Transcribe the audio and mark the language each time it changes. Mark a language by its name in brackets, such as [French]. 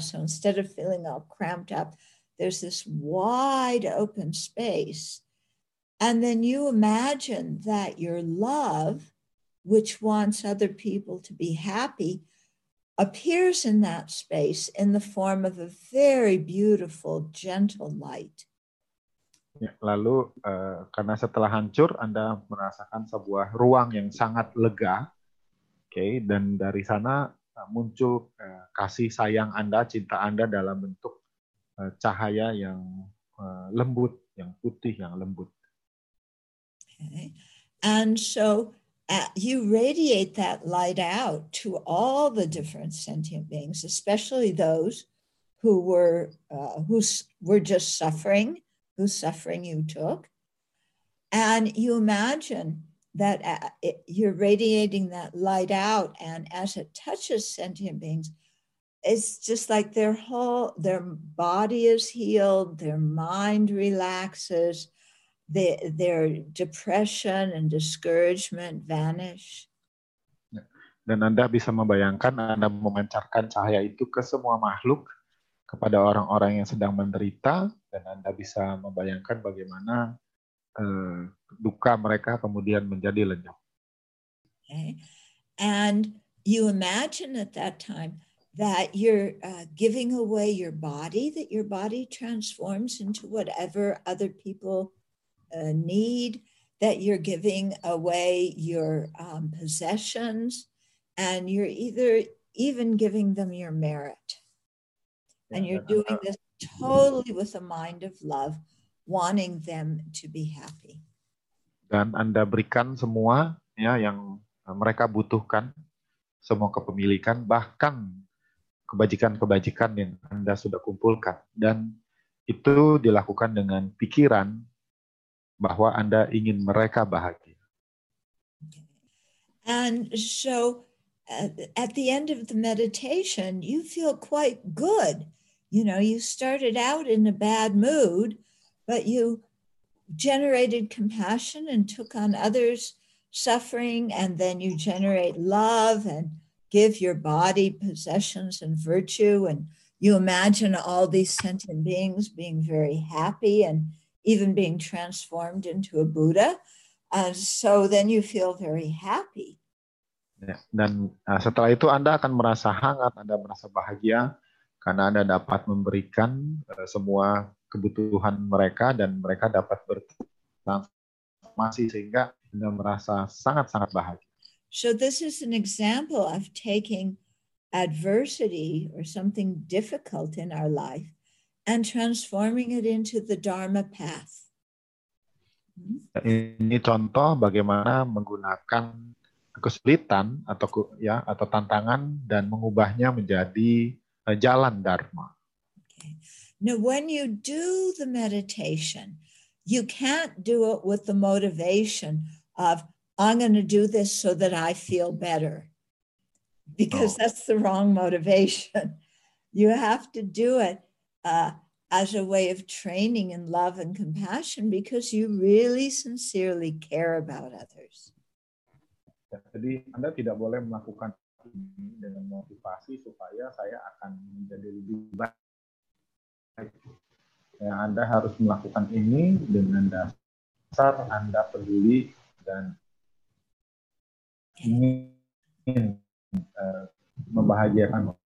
[English] So instead of feeling all cramped up, there's this wide open space. And then you imagine that your love, which wants other people to be happy, appears in that space in the form of a very beautiful, gentle light. [Indonesian] Ya, lalu karena setelah hancur, Anda merasakan sebuah ruang yang sangat lega, okay? Dan dari sana muncul kasih sayang Anda, cinta Anda dalam bentuk cahaya yang lembut, yang putih, yang lembut. [English] Okay. And so you radiate that light out to all the different sentient beings, especially those who were just suffering, whose suffering you took. And you imagine that you're radiating that light out, and as it touches sentient beings, it's just like their body is healed, their mind relaxes, their depression and discouragement vanish. [Indonesian] Dan Anda bisa membayangkan Anda memancarkan cahaya itu ke semua makhluk, kepada orang-orang yang sedang menderita, dan Anda bisa membayangkan bagaimana duka mereka kemudian menjadi lenyap. [English] Okay. And you imagine at that time that you're giving away your body, that your body transforms into whatever other people need, that you're giving away your possessions, and you're either even giving them your merit. And you're doing this totally with a mind of love, wanting them to be happy. [Indonesian] Dan Anda berikan semua, ya, yang mereka butuhkan, semua kepemilikan, bahkan kebajikan-kebajikan yang Anda sudah kumpulkan. Dan itu dilakukan dengan pikiran bahwa Anda ingin mereka bahagia. [English] And so at the end of the meditation, you feel quite good. You know, you started out in a bad mood, but you generated compassion and took on others' suffering, and then you generate love and give your body possessions and virtue, and you imagine all these sentient beings being very happy and even being transformed into a Buddha, so then you feel very happy. [Indonesian] Ya, dan setelah itu Anda akan merasa hangat, Anda merasa bahagia, karena Anda dapat memberikan semua kebutuhan mereka, dan mereka dapat bertransformasi, sehingga Anda merasa sangat-sangat bahagia. [English] So this is an example of taking adversity or something difficult in our life and transforming it into the Dharma path. [Indonesian] Ini contoh bagaimana menggunakan kesulitan atau tantangan dan mengubahnya menjadi jalan Dharma. [English] Okay. Now, when you do the meditation, you can't do it with the motivation of "I'm going to do this so that I feel better," because that's the wrong motivation. You have to do it as a way of training in love and compassion, because you really sincerely care about others. [Indonesian] Jadi Anda tidak boleh melakukan ini dengan motivasi supaya saya akan menjadi lebih baik. Ya, Anda harus melakukan ini dengan dasar Anda peduli dan ingin membahagiakan.